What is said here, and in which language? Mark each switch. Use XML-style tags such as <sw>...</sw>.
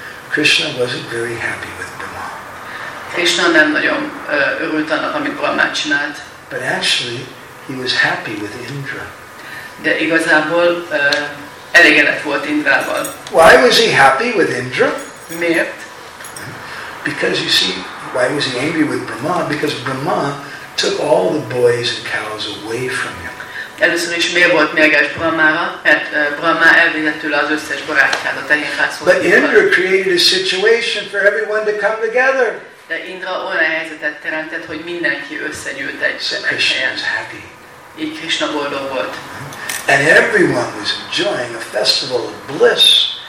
<en>Krishna wasn't very happy with Brahma.</en> <hu>Krishna nem nagyon örült annak, amit Brahma csinált.</hu> <en>But actually, he was happy with Indra.</en> <hu>De igazából elégedett volt Indrával.</hu> <en>Why was he happy with Indra?</en> <hu>Miért?</hu> <en>Because you see, why was he angry with Brahma? Because Brahma took all the boys and cows away from him.</en> <hu>Először is miért volt mérges Brahmára? Mert Brahma elvinne tőle az összes barátját, a tehénfászót.</hu> <en>But Indra created a situation for everyone to come together.</en> <hu>De Indra olyan helyzetet teremtett, hogy mindenki összegyűlt egy helyen.</hu> <en>So Krishna was happy.</en> <hu>Így Krishna boldog volt.</hu> <en>And everyone was enjoying a festival of bliss.</en>